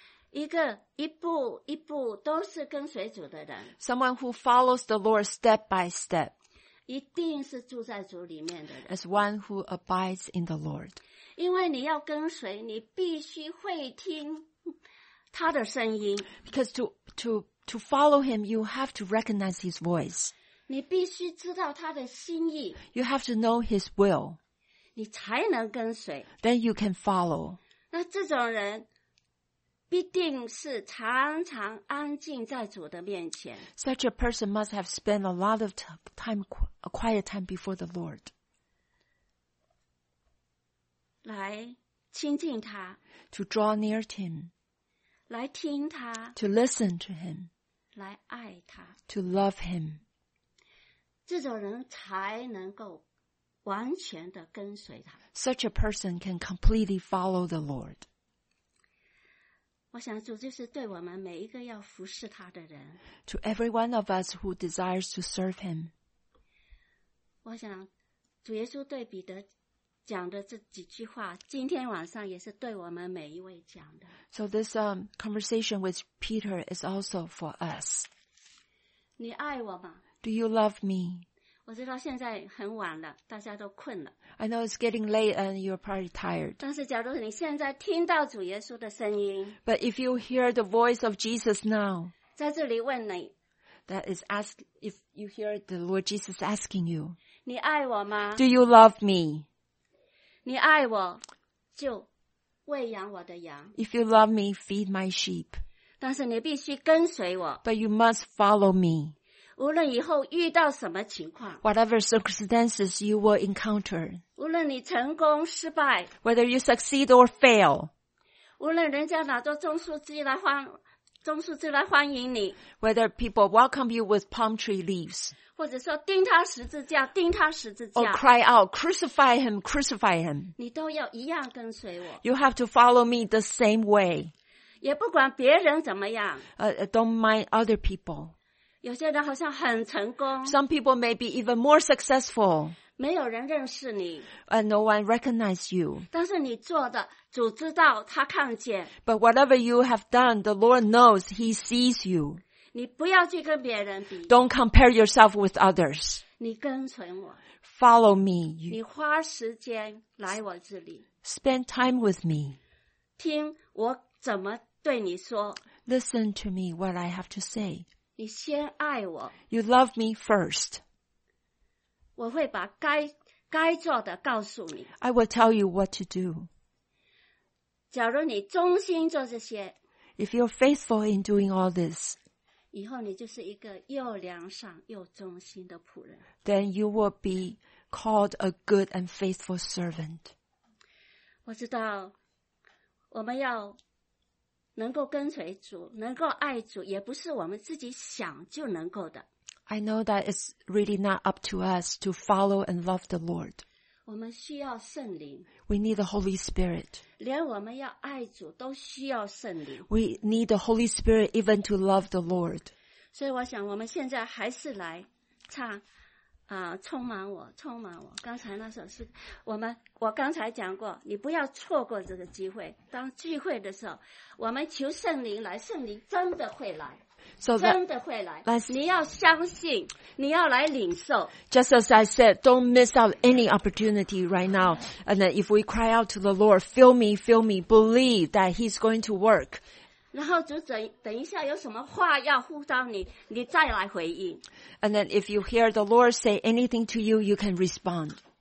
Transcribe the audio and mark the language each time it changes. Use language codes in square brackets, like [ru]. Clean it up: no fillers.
[zh] 一个一步一步都是跟随主的人。 [en] Someone who follows the Lord step by step. [zh] 一定是住在主里面的人。 [en] As one who abides in the Lord. [zh] 因为你要跟随，你必须会听他的声音。 [en] Because to follow him, you have to recognize his voice. [zh] 你必须知道他的心意。 [en] You have to know his will. [zh] 你才能跟随。 [en] Then you can follow. [zh] 那这种人必定是常常安静在主的面前。 [en] Such a person must have spent a lot of time, a quiet time before the Lord. [zh] 来亲近他。 [en] To draw near to him. [zh] 来听他。 [en] To listen to him. [zh] 来爱他。 [en] To love him. [zh] 这种人才能够完全的跟随他。 [en] Such a person can completely follow the Lord. [zh] 我想主就是对我们每一个要服侍他的人。 [en] To every one of us who desires to serve him. [zh] 我想主耶稣对彼得讲的这几句话，今天晚上也是对我们每一位讲的。 [en] So this conversation with Peter is also for us. [zh] 你爱我吗？ [en] Do you love me? [zh] 我知道现在很晚了，大家都困了。 [en] I know it's getting late and you're probably tired. [zh] 但是假如你现在听到主耶稣的声音， [en] But if you hear the voice of Jesus now, [zh] 在这里问你， [en] That is ask, if you hear the Lord Jesus asking you, [zh] 你爱我吗？ [en] Do you love me? [zh] 你爱我，就喂养我的羊。 [en] If you love me, feed my sheep. [zh] 但是你必须跟随我。 [en] But you must follow me. [zh] 无论以后遇到什么情况。 [en] Whatever circumstances you will encounter. [zh] 无论你成功失败。 [en] Whether you succeed or fail. [zh] 无论人家拿着棕树枝来欢迎你。 [en] Whether people welcome you with palm tree leaves. [zh] 或者说钉他十字架，钉他十字架。 [en] Or cry out, crucify him, crucify him. [zh] 你都要一样跟随我。 [en] You have to follow me the same way. [zh] 也不管别人怎么样。 [en] Don't mind other people. [zh] 有些人好像很成功。 [en] Some people may be even more successful. [zh] 没有人认识你。 [en] And no one recognize you. [zh] 但是你做的，主知道，他看见。 [en] But whatever you have done, the Lord knows, he sees you. [zh] 你不要去跟别人比。 [en] Don't compare yourself with others. [zh] 你跟随我。 [en] Follow me. [zh] 你花时间来我这里。 [en] Spend time with me. [zh] 听我怎么对你说。 [en] Listen to me what I have to say. [zh] 你先爱我。 [en] You love me first. [zh] 我会把该做的告诉你。 [en] I will tell you what to do. [zh] 假如你忠心做这些。 [en] If you're faithful in doing all this, [zh] 以后你就是一个又良善又忠心的仆人。 [en] Then you will be called a good and faithful servant. [zh] 我知道我们要能够跟随主，能够爱主，也不是我们自己想就能够的。 [en] I know that it's really not up to us to follow and love the Lord. [zh] 我们需要圣灵。 [en] We need the Holy Spirit. [zh] 连我们要爱主都需要圣灵。 [en] We need the Holy Spirit even to love the Lord. [zh] 所以我想我们现在还是来唱充满我，充满我。刚才那首诗，我刚才讲过，你不要错过这个机会。当聚会的时候，我们求圣灵来，圣灵真的会来。 [en] So、 [zh] 真的会来。你要相信，你要来领受。 [en] Just as I said, don't miss out any opportunity right now. And if we cry out to the Lord, fill me, believe that He's going to work. [zh] 然后主等一下有什么话要呼召你，你再来回应。 [en] And then if you hear the Lord say anything to you, you can respond.